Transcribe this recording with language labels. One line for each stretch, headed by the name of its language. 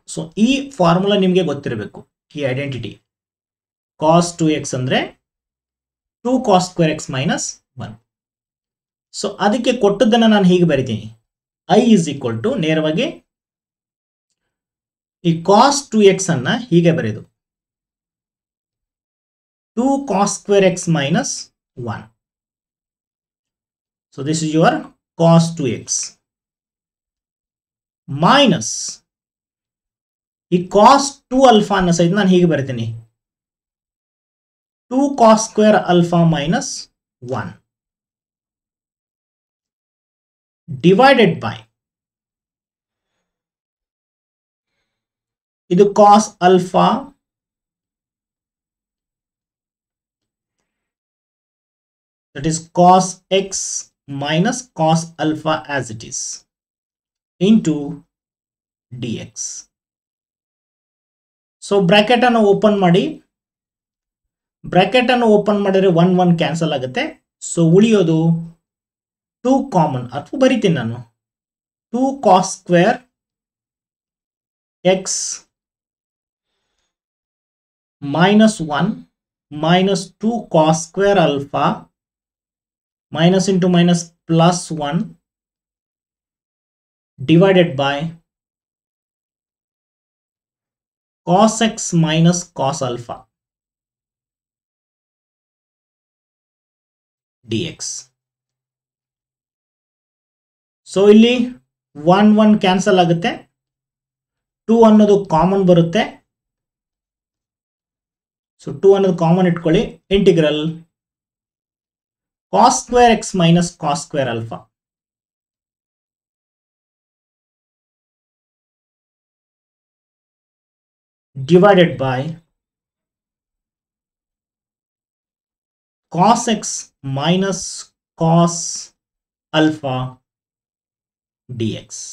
Kannada: So ಈ formula ನಿಮಗೆ ಗೊತ್ತಿರಬೇಕು, ಈ ಐಡೆಂಟಿಟಿ ಕಾಸ್ ಟೂ ಎಕ್ಸ್ ಅಂದ್ರೆ two cos square X minus one. So ಅದಕ್ಕೆ ಕೊಟ್ಟದ್ದನ್ನು ನಾನು ಹೀಗೆ ಬರಿತೀನಿ,
English: I is equal to
Kannada: ನೇರವಾಗಿ ಈ ಕಾಸ್ ಟೂ ಎಕ್ಸ್ ಅನ್ನ ಹೀಗೆ ಬರೆದು 2 cos square x minus 1.
English: So this is your cos 2x minus ಈ cos 2 alpha
Kannada: ಅನ್ನ ಸಹಿತ ನಾನು ಹೀಗೆ ಬರ್ತೀನಿ
English: 2 cos square alpha minus 1 divided by ಇದು cos alpha that is cos x minus cos alpha as it is into dx.
Kannada: So bracket ಅನ್ನು open ಮಾಡಿ, bracket ಅನ್ನು ಓಪನ್ ಮಾಡಿದ್ರೆ 1 1 ಕ್ಯಾನ್ಸಲ್ ಆಗುತ್ತೆ. ಸೊ ಉಳಿಯೋದು 2 ಕಾಮನ್, ಅಥವಾ ಬರಿತೀನಿ ನಾನು 2 cos square x
English: minus 1 minus 2 cos square alpha minus into minus plus 1 divided by cos x minus cos alpha dx.
Kannada: So ಇಲ್ಲಿ 1 1 cancel ಆಗುತ್ತೆ, 2 ಅನ್ನೋದು ಕಾಮನ್ ಬರುತ್ತೆ. ಸೊ 2 ಅನ್ನೋದು ಕಾಮನ್ ಇಟ್ಕೊಳ್ಳಿ, integral cos square x minus cos square alpha divided by cos x minus cos alpha dx.